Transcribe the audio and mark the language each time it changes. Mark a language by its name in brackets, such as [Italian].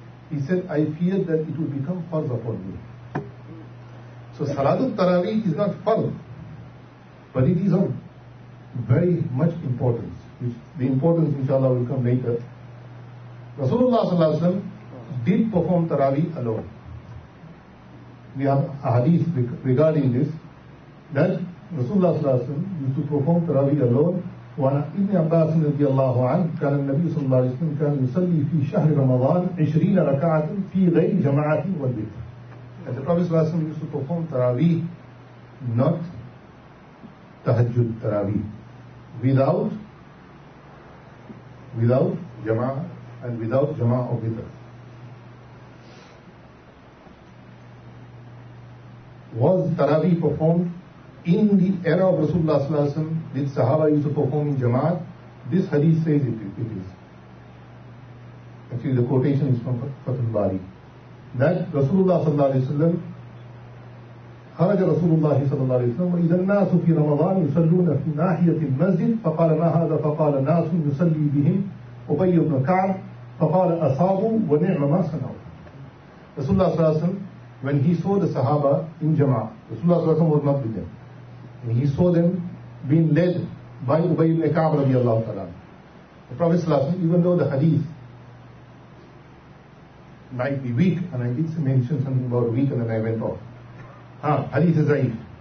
[English] He said, I fear that it will become farz upon me. So Salatul Taraweeh is not farz, but it is of very much importance. The importance, inshallah, will come later. Rasulullah did perform Taraweeh alone. We have a hadith regarding this, that Rasulullah used to perform Taraweeh alone. [Arabic] وعن ابن عباس رضي الله عنه كان النبي صلى الله عليه وسلم كان يصلي في شهر رمضان 20 ركعة في غير جماعة والوتر. [English] And the Prophet صلى الله عليه وسلم used to perform Taraweeh, not Tahajjud Taraweeh, without Jama'ah and without Jama'ah or Witr. Was Taraweeh performed in the era of Rasulullah صلى الله عليه وسلم? Did Sahaba used to perform in Jama'at? This hadith says it is. Actually, the quotation is from Fathul Bari. That Rasulullah sallallahu alayhi wa sallam, [Arabic] kharaja Rasulullah sallallahu alayhi wa sallam, وَإِذَا النَّاسُ فِي رَمَضَانِ يُسَلُّونَ فِي نَاحِيَةِ الْمَسْجِدِ فَقَالَ مَا هَذَا فَقَالَ النَّاسُ يُسَلِّي بِهِمْ أُبَيُّ بْنُ كَعْبٍ فَقَالَ أَصَابُوا وَنِعْمَ مَا صَنَعُوا. [English] Rasulullah sallallahu alayhi wa sallam, when he saw the Sahaba in Jama'at, Rasulullah sallallahu alayhi wa sallam was not with them. And he saw them being led by Ubay ibn Ka'b radiallahu ta'ala. The Prophet sallallahu alayhi wa sallam, even though the hadith might be weak, and I did mention something about weak and then I went off. Hadith is Zaif.